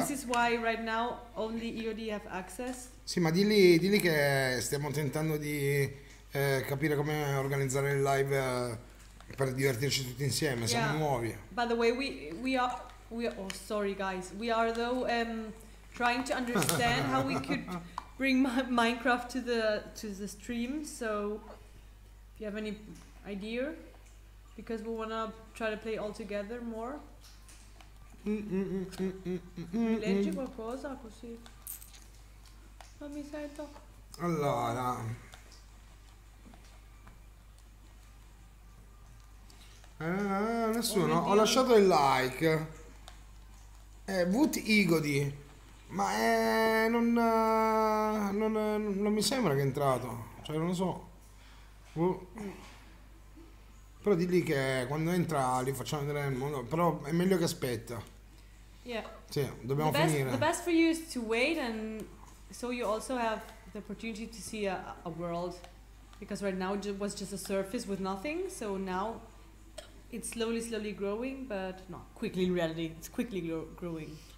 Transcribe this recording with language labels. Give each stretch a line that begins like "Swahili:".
English: This is why right now only EOD have access.
Italian: Sì, ma dilli che stiamo tentando di capire come organizzare il live per divertirci tutti insieme, Siamo nuovi.
English: By the way, we are oh sorry guys. We are though trying to understand how we could bring Minecraft to the stream. So if you have any idea, because we want to try to play all together more.
Italian: Leggi qualcosa così non mi sento. Allora, nessuno. Ho lasciato il like. Wood Igoti. Ma non mi sembra che è entrato. Cioè, non lo so. Però digli che quando entra li facciamo vedere nel mondo. Però è meglio che aspetta.
English: Yeah.
Italian: Sì, dobbiamo finire.
English: The best for you is to wait and so you also have the opportunity to see a world because right now it was just a surface with nothing, so now it's slowly growing, but no, quickly in reality, it's quickly growing.